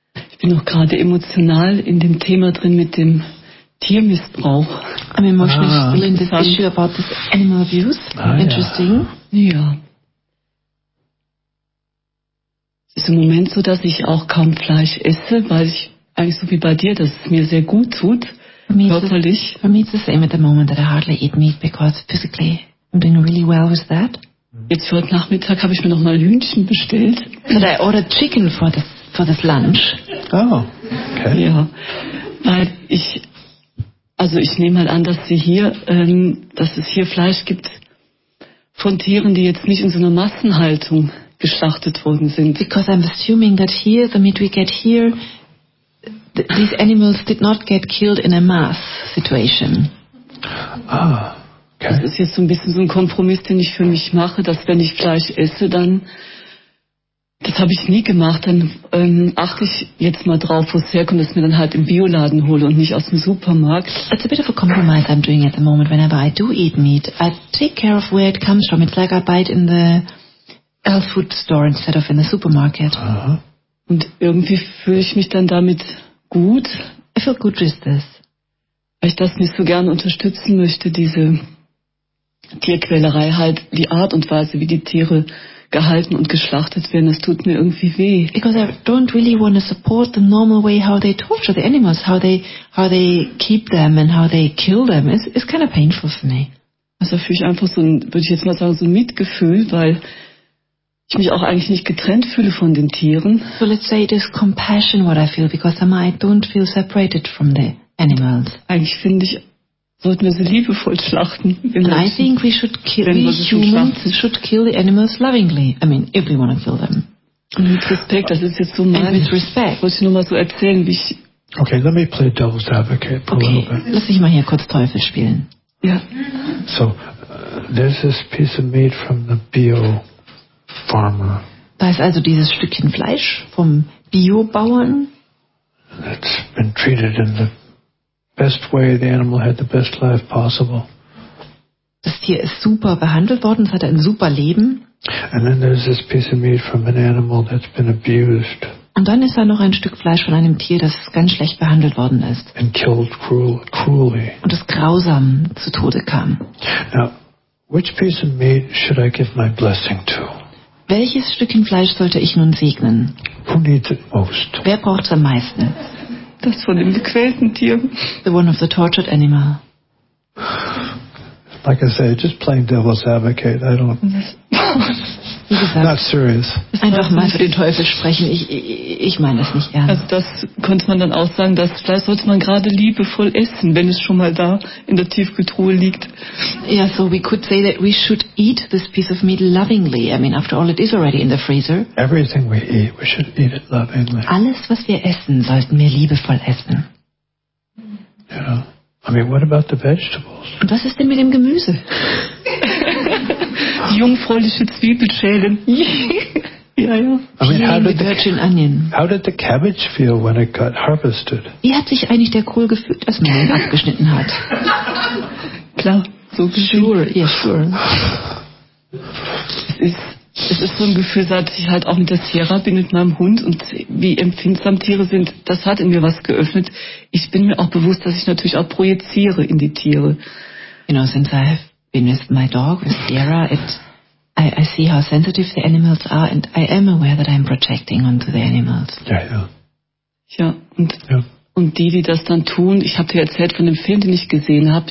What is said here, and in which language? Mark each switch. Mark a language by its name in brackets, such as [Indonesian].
[German] Ich bin noch gerade emotional in dem Thema drin mit dem Tiermissbrauch. [English] I'm emotionally still in this issue about this animal abuse. Ah, interesting. [German] Ja. Es ist im Moment so, dass ich auch kaum Fleisch esse, weil ich eigentlich so wie bei dir, dass es mir sehr gut tut, körperlich. [English] For me it's the same at the moment that I hardly eat meat because physically I'm doing really well with that. [German] Jetzt für heute Nachmittag habe ich mir noch mal Hühnchen bestellt. [English] But I ordered chicken for this lunch. Oh, okay. [German] Ja, weil ich nehme halt an, dass sie hier, dass es hier Fleisch gibt von Tieren, die jetzt nicht in so einer Massenhaltung geschlachtet worden sind. [English] Because I'm assuming that here, the meat we get here, these animals did not get killed in a mass situation. Ah, okay. [German] Das ist jetzt so ein bisschen so ein Kompromiss, den ich für mich mache, dass wenn ich Fleisch esse, dann... Das habe ich nie gemacht, dann achte ich jetzt mal drauf, wo es herkommt, dass ich mir dann halt im Bioladen hole und nicht aus dem Supermarkt. [English] It's a bit of a compromise I'm doing at the moment whenever I do eat meat. I take care of where it comes from. It's like I buy it in the health food store instead of in the supermarket. Uh-huh. [German] Und irgendwie fühle ich mich dann damit gut. [English] I feel good with this. [German] Weil ich das nicht so gerne unterstützen möchte, diese Tierquälerei, halt die Art und Weise, wie die Tiere gehalten und geschlachtet werden, das tut mir irgendwie weh. [English] Because I don't really want to support the normal way how they torture the animals, how they keep them and how they kill them. It's kind of painful for me. [German] Also fühle ich einfach so ein, würde ich jetzt mal sagen, so ein Mitgefühl, weil ich mich auch eigentlich nicht getrennt fühle von den Tieren. [English] So let's say it is compassion what I feel, because I don't feel separated from the animals. [German] Eigentlich finde ich, sollten wir sie liebevoll schlachten. [English] I think we should kill the animals lovingly. I mean, if we want to kill them. [German] Und mit Respekt, das ist jetzt so mein... [English] And with respect. [German] Wollte ich nur mal so erzählen, wie ich... [English] Okay, let me play devil's advocate for a little bit. [German] Okay, lass mich mal hier kurz Teufel spielen. Ja. [English] So, there's this piece of meat from the bio farmer. [German] Da ist also dieses Stückchen Fleisch vom Biobauern. [English] That's been treated in the... best way the animal had the best life possible. [German] Das Tier ist super behandelt worden, es hatte ein super Leben. [English] And then there's this piece of meat from an animal that's been abused. [German] Und dann ist da noch ein Stück Fleisch von einem Tier, das ganz schlecht behandelt worden ist. [English] And killed cruelly. [German] Und das grausam zu Tode kam. [English] Now, which piece of meat should I give my blessing to? [German] Welches Stückchen Fleisch sollte ich nun segnen? [English] Who needs it most? [German] Wer braucht es am meisten? Das von dem gequälten Tier. [English] The one of the tortured animal. Like I said, just playing devil's advocate. I don't... [German] Wie gesagt, [English] not serious. [German] Einfach mal für den Teufel sprechen. Ich meine es nicht ernst. Also das könnte man dann auch sagen, dass vielleicht sollte man gerade liebevoll essen, wenn es schon mal da in der Tiefkühltruhe liegt. [English] Yeah, so we could say that we should eat this piece of meat lovingly. I mean, after all, it is already in the freezer. Everything we eat, we should eat it lovingly. [German] Alles, was wir essen, sollten wir liebevoll essen. [English] Yeah. I mean, what about the vegetables? [German] Und was ist denn mit dem Gemüse? Jungfräuliche Zwiebel schälen. Ja, ja. [English] I mean, how did the cabbage feel when it got harvested? [German] Wie hat sich eigentlich der Kohl gefühlt, als man ihn abgeschnitten hat? Klar, so [English] sure, yes, sure. [German] Es ist so ein Gefühl, seit ich halt auch mit der Sierra bin, mit meinem Hund und wie empfindsam Tiere sind, das hat in mir was geöffnet. Ich bin mir auch bewusst, dass ich natürlich auch projiziere in die Tiere. [English] You know, since I have been with my dog, with Sierra, I see how sensitive the animals are, and I am aware that I'm projecting onto the animals. [German] Ja, und die das dann tun, ich habe dir erzählt von dem Film, den ich gesehen habe.